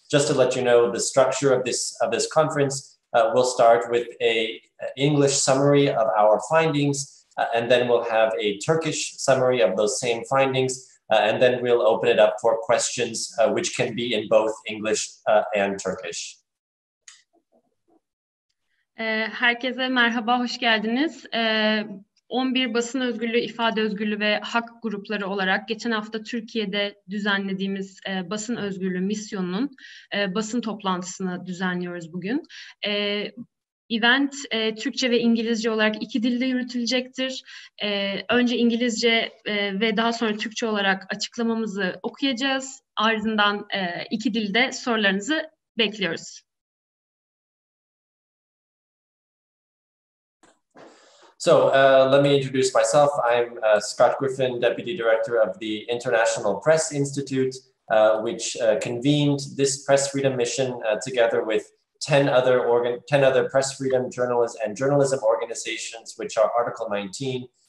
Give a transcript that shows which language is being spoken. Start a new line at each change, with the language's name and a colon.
English: Just to let you know, the structure of this conference will start with an English summary of our findings, and then we'll have a Turkish summary of those same findings. And then we'll open it up for questions, which can be in both English and Turkish.
Turkish: Herkese merhaba, hoş geldiniz. 11 basın özgürlüğü, ifade özgürlüğü ve hak grupları olarak geçen hafta Türkiye'de düzenlediğimiz basın özgürlüğü misyonunun basın toplantısını düzenliyoruz bugün. Event Türkçe ve İngilizce olarak iki dilde yürütülecektir. Önce İngilizce ve daha sonra Türkçe olarak açıklamamızı okuyacağız. Ardından iki dilde sorularınızı bekliyoruz.
English: So let me introduce myself. I'm Scott Griffin, Deputy Director of the International Press Institute, which convened this press freedom mission together with 10 other press freedom journalists and journalism organizations, which are Article 19,